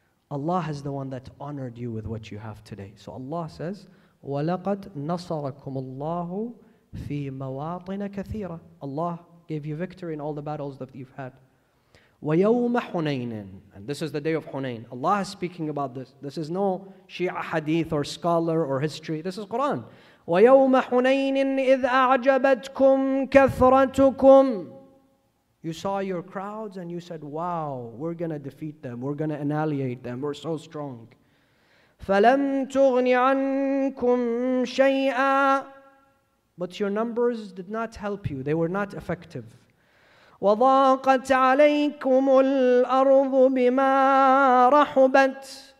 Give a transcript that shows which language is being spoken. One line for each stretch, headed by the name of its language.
English: Allah is the one that honored you with what you have today. So Allah says,
Arabic: وَلَقَدْ نَصَرَكُمُ اللَّهُ في مواطن كثيرة.
English: Allah gave you victory in all the battles that you've had.
Arabic: ويوم حنين.
English: And this is the day of Hunain. Allah is speaking about this. This is no Shia hadith or scholar or history. This is Quran.
Arabic: ويوم حنين إذ أعجبتكم كثرتكم.
English: You saw your crowds and you said, wow, we're going to defeat them. We're going to annihilate them. We're so strong.
Arabic: فَلَمْ تُغْنِ عَنْكُمْ شَيْئًا.
English: But your numbers did not help you. They were not effective.
Arabic: وَضَاقَتْ عَلَيْكُمُ الْأَرْضُ بِمَا رَحُبَتْ.